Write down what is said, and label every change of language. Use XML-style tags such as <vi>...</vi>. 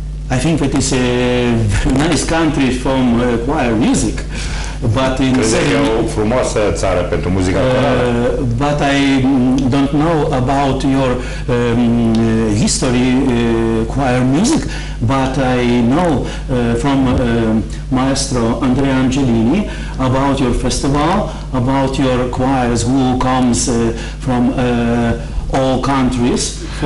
<en>I think that it's a nice country from choir music, but in</en> <ro>Serbia, o frumoasă țară pentru muzica corală.</ro> <en>But I don't know about your history choir music, but I know from maestro Andrea Angelini about your festival, about your choirs who comes from all countries.</en>